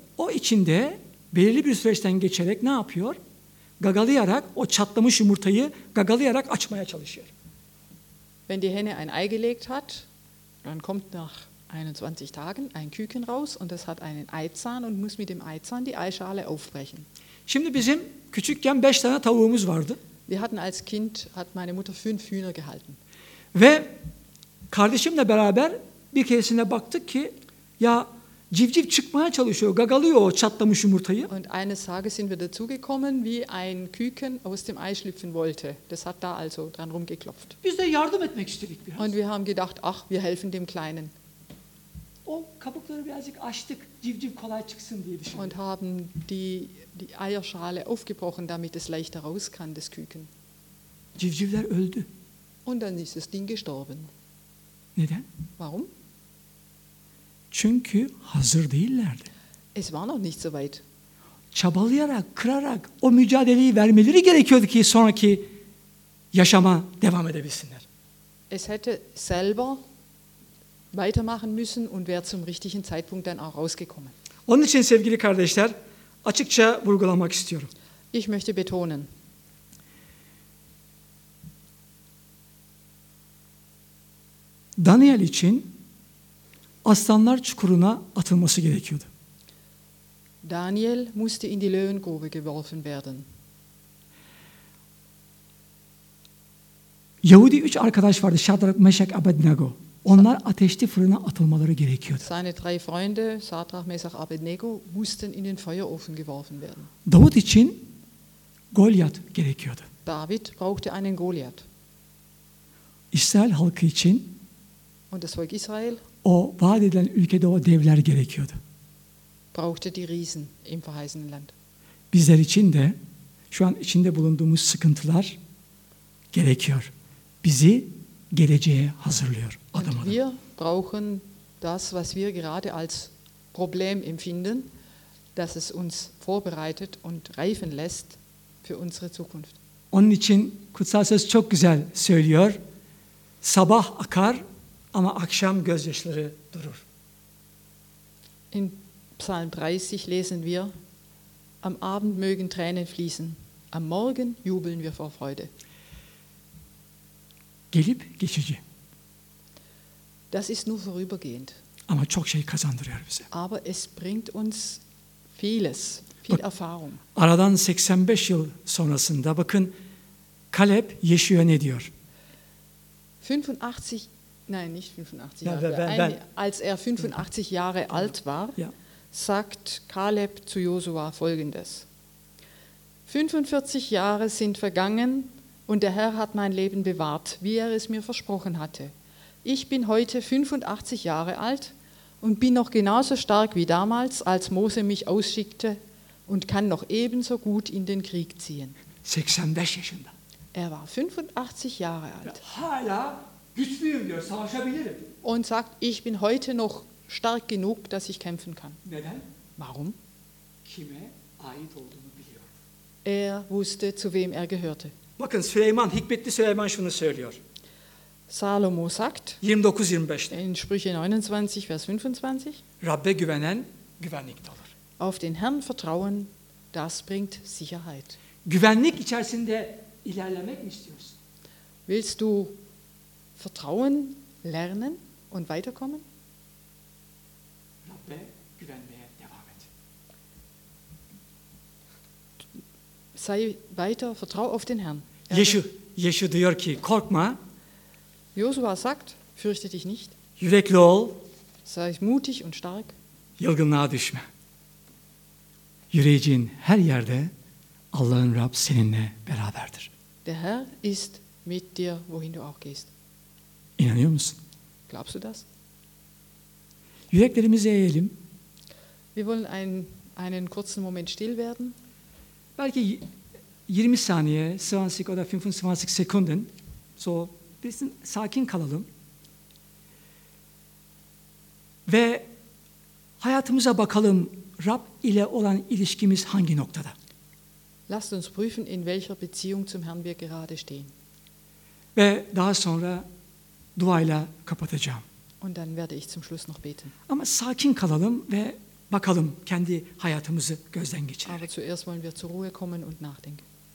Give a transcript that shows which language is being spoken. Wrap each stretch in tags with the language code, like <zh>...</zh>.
<tr>O içinde belirli bir süreçten geçerek ne yapıyor? Gagalayarak o çatlamış yumurtayı gagalayarak açmaya çalışıyor.</tr> <de>Wenn die Henne ein Ei gelegt hat, dann kommt nach 21 Tagen ein Küken raus und das hat einen Eizahn und muss mit dem Eizahn die Eischale aufbrechen.</de> <tr>Şimdi bizim küçükken 5 tane tavuğumuz vardı.</tr> <de>Wir hatten als Kind, hat meine Mutter 5 Hühner gehalten.</de> <tr>Ve kardeşimle beraber bir keresine baktık ki ya civciv çıkmaya çalışıyor, gagalıyor o çatlamış yumurtayı.</tr> <de>Und eines Tages sind wir dazugekommen, wie ein Küken aus dem Ei schlüpfen wollte. Das hat da also dran rumgeklopft.</de> <tr>Biz de yardım etmek istedik biraz.</tr> <de>Und wir haben gedacht, ach, wir helfen dem Kleinen.</de> <tr>O kabukları birazcık açtık, civciv kolay çıksın diye düşündük.</tr> <de>Und haben die Eierschale aufgebrochen, damit es leichter raus kann, das Küken.</de> <tr>Civcivler öldü.</tr> <de>Und dann ist das Ding gestorben.</de> <tr>Neden?</tr> <de>Warum?</de> <tr>Çünkü hazır değillerdi.</tr> <de>Es war noch nicht so weit.</de> <tr>Çabalayarak, kırarak o mücadeleyi vermeleri gerekiyordu ki sonraki yaşama devam edebilsinler.</tr> <de>Es hätte selber weitermachen müssen und wäre zum richtigen Zeitpunkt dann auch rausgekommen.</de> <tr>Onun için sevgili kardeşler, açıkça vurgulamak istiyorum.</tr> <de>Ich möchte betonen.</de> <tr>Daniel için aslanlar çukuruna atılması gerekiyordu.</tr> <de>Daniel musste in die Löwengrube geworfen werden.</de> <tr>Yahudi üç arkadaş vardı. Şadrak, Meşak, Abednego. Onlar ateşli fırına atılmaları gerekiyordu.</tr> <de>Seine drei Freunde, Şadrak, Meşak, Abednego, mussten in den Feuerofen geworfen werden.</de> <tr>Davut için Goliath gerekiyordu.</tr> <de>David brauchte einen Goliath.</de> <tr>İsrail halkı için</tr> <de>und das Volk Israel,</de> <tr>o vaat edilen ülkede o devler gerekiyordu.</tr> <de>Brauchte die Riesen im verheißenen Land.</de> <tr>Bizler için de şu an içinde bulunduğumuz sıkıntılar gerekiyor. Bizi geleceğe hazırlıyor adım adım.</tr> <de>Wir brauchen das, was wir gerade als Problem empfinden, dass es uns vorbereitet und reifen lässt für unsere Zukunft.</de> <tr>Onun için Kutsal Söz çok güzel söylüyor. Sabah akar ama akşam gözyaşları durur.</tr> <de>In Psalm 30 lesen wir: Am Abend mögen Tränen fließen, am Morgen jubeln wir vor Freude.</de> <tr>Gelip geçici.</tr> <de>Das ist nur vorübergehend.</de> <tr>Ama çok şey kazandırıyor bize.</tr> <de>Aber es bringt uns vieles, viel Erfahrung.</de> <tr>Aradan 85 yıl sonrasında bakın Kaleb Yeşua ne diyor?</tr> <de>85, nein, nicht 85 Jahre. Als er 85 Jahre alt war, ja, sagt Kaleb zu Josua folgendes: 45 Jahre sind vergangen, und der Herr hat mein Leben bewahrt, wie er es mir versprochen hatte. Ich bin heute 85 Jahre alt und bin noch genauso stark wie damals, als Mose mich ausschickte, und kann noch ebenso gut in den Krieg ziehen.</de> <tr>85 yaşında.</tr> <de>Er war 85 Jahre alt.</de> <tr>Ja, hala güçlüyüm diyor, savaşabilirim.</tr> <de>Und sagt, ich bin heute noch stark genug, dass ich kämpfen kann.</de> <tr>Neden?</tr> <de>Warum?</de> <tr>Kime ait olduğunu biliyor.</tr> <de>Er wusste, zu wem er gehörte.</de> <tr>Bakın Süleyman, Hikmetli Süleyman şunu söylüyor.</tr> <de>Salomo sagt</de> <tr>29:25'te.</tr> <de>In Sprüche 29 Vers 25.</de> <tr>Rabbe güvenen güvenlikte olur.</tr> <de>Auf den Herrn vertrauen, das bringt Sicherheit.</de> <tr>Güvenlik içerisinde ilerlemek mi istiyorsun?</tr> <de>Willst du vertrauen lernen und weiterkommen?</de> <tr>Rabbe güvenmeye devam et.</tr> <de>Sei weiter, vertrau auf den Herrn.</de> <tr>Yeşu diyor ki korkma.</tr> <de>Josua sagt, fürchte dich nicht.</de> <tr>Yürekli ol.</tr> <de>Sei mutig und stark.</de> <tr>Yılgınlığa düşme. Yüreğin her yerde Allah'ın Rab seninle beraberdir.</tr> <de>Der Herr ist mit dir, wohin du auch gehst.</de> <tr>İnanıyor musun?</tr> <de>Glaubst du das?</de> <tr>Yüreklerimizi eğelim.</tr> <de>Wir wollen einen kurzen Moment still werden.</de> <tr>Belki 20 saniye,</tr> <de>25 sekunden, so bisschen</de> <tr>sakin kalalım. Ve hayatımıza bakalım, Rab ile olan ilişkimiz hangi noktada?</tr> <de>Lasst uns prüfen, in welcher Beziehung zum Herrn wir gerade stehen.</de> <tr>Ve daha sonra duayla kapatacağım.</tr> <de>Und dann werde ich zum Schluss noch beten.</de> <tr>Ama sakin kalalım ve bakalım kendi hayatımızı gözden geçirelim.</tr> <de>Aber zuerst wollen wir zur Ruhe kommen und nachdenken.</de>